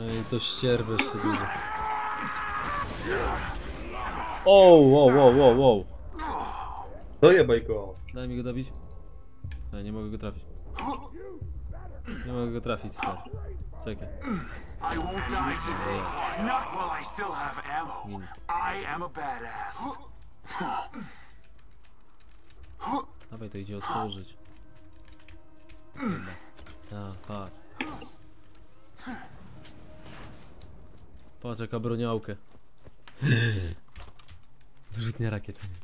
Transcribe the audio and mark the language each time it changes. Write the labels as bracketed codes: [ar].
[pl] To ścierwy jeszcze dużo. O, wow. To jebaj go. Daj mi go dobić. Ej, nie mogę go trafić. Nie mogę go trafić, stary. Czekaj. [en] I won't die today. Not while I still have ammo. I am a badass. [pl] Dawaj, to idzie otworzyć. Tak, patrz. Patrz, jaka broniałkę. Wyrzutnia rakiet.